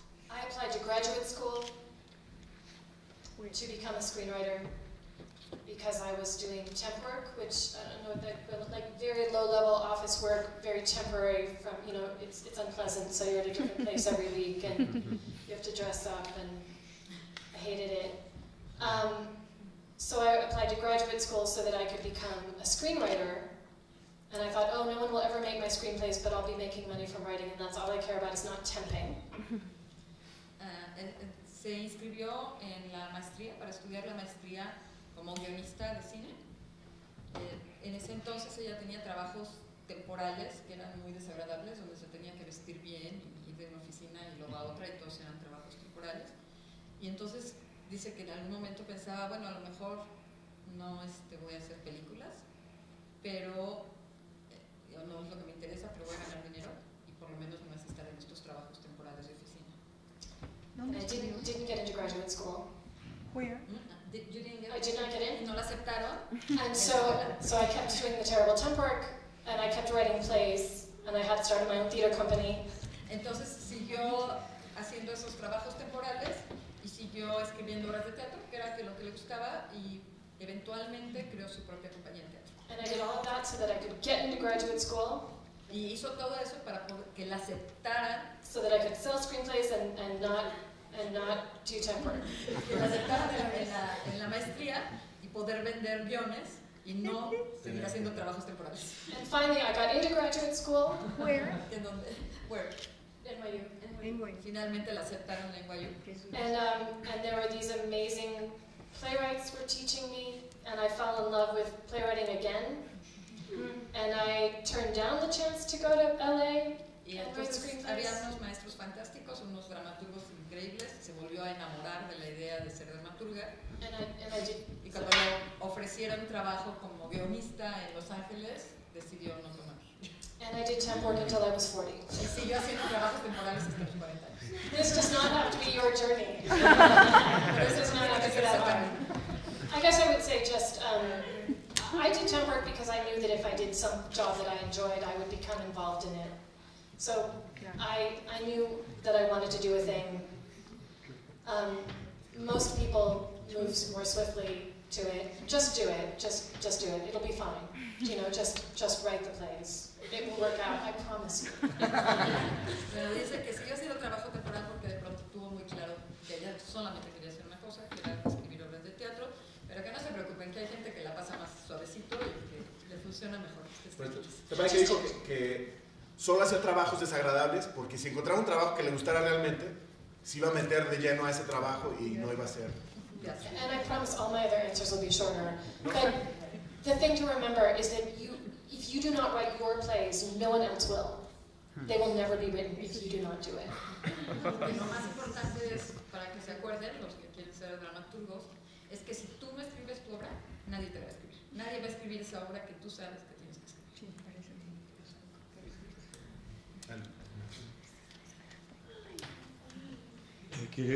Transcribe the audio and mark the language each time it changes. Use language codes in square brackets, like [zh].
[en] I applied to graduate school to become a screenwriter, because I was doing temp work, which I don't know what that, but like very low level office work, very temporary from, you know, it's unpleasant, so you're at a different place every week and you have to dress up and I hated it. So I applied to graduate school so that I could become a screenwriter, and I thought, oh, no one will ever make my screenplays, but I'll be making money from writing and that's all I care about is not temping. [es] Se inscribió en la maestría, para estudiar la maestría como guionista de cine. En ese entonces ella tenía trabajos temporales que eran muy desagradables, donde se tenía que vestir bien, ir de una oficina y luego a otra, y todos eran trabajos temporales. Y entonces dice que en algún momento pensaba, bueno, a lo mejor no voy a hacer películas, pero no es lo que me interesa, pero voy a ganar dinero y por lo menos me voy a estar en estos trabajos temporales de oficina. [en] And I didn't get into graduate school. Where? I did not get in. [es] No la aceptaron. [en] And so I kept doing the terrible temp work, and I kept writing plays, and I had started my own theater company. [es] Entonces siguió haciendo esos trabajos temporales y siguió escribiendo obras de teatro, que era lo que le gustaba, y eventualmente creó su propia compañía de teatro. [en] And I did all of that so that I could get into graduate school. [es] Y hizo todo eso para que la aceptaran. [en] So that I could sell screenplays and not do temp work. [es] Que la aceptaran en la maestría y poder vender guiones y no seguir haciendo trabajos temporales. [en] And finally I got into graduate school. Where? [es] ¿En dónde? [en] Where? NYU. [es] Finalmente la aceptaron en NYU. [en] And there were these amazing playwrights were teaching me, and I fell in love with playwriting again. And I turned down the chance to go to LA. [es] Había unos maestros fantásticos, unos dramaturgos increíbles. Se volvió a enamorar de la idea de ser dramaturga. Y cuando le ofrecieron trabajo como guionista en Los Ángeles, decidió no tomar. [en] And I did temp work until I was 40. [es] Y siguió haciendo trabajos temporales hasta los 40 años. [en] This does not have to be your journey. This does not have to be that hard. I guess I would say just, I did temp work because I knew that if I did some job that I enjoyed, I would become involved in it. So I knew that I wanted to do a thing. Most people move more swiftly to it. Just do it. Just do it. It'll be fine. You know, just write the plays. It will work out. I promise you. [es] Pero dice que siguió haciendo trabajo temporal porque de pronto tuvo muy claro que ella solamente quería hacer una cosa, que era escribir obras de teatro. Pero que no se preocupen, que hay gente que la pasa más suavecito y que le funciona mejor. Te parece que dijo que solo hacía trabajos desagradables porque si encontraba un trabajo que le gustara realmente, se iba a meter de lleno a ese trabajo y no iba a ser [en] Yes. And I promise all my other answers will be shorter. But the thing to remember is that if you do not write your plays, no one else will. They will never be written if you do not do it. [es] Lo más importante es, para que se acuerden, los que quieren ser dramaturgos, es que si tú no escribes tu obra, nadie te va a escribir. Nadie va a escribir esa obra que tú sabes que tienes que escribir. Sí, parece muy